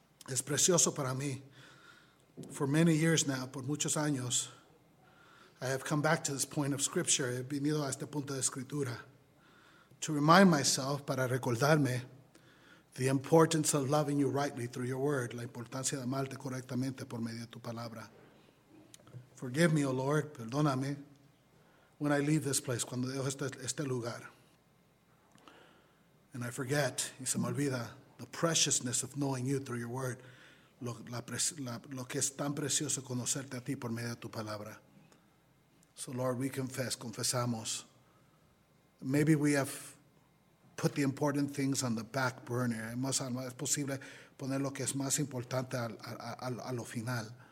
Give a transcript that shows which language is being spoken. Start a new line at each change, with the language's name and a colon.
Spanish: Es precioso para mí.
English: For many years now,
Spanish: por muchos años,
English: I have come back to this point of Scripture.
Spanish: He venido a este punto de Escritura.
English: To remind myself,
Spanish: para recordarme,
English: the importance of loving you rightly through your word.
Spanish: La importancia de amarte correctamente por medio de tu palabra.
English: Forgive me, O Lord.
Spanish: Perdóname.
English: When I leave this place,
Spanish: cuando dejo este lugar,
English: and I forget,
Spanish: y se me olvida,
English: the preciousness of knowing you through your word,
Spanish: lo que es tan precioso conocerte a ti por medio de tu palabra.
English: So Lord, we confess,
Spanish: confesamos
English: Maybe we have put the important things on the back burner.
Spanish: Es posible poner lo que es más importante a lo final.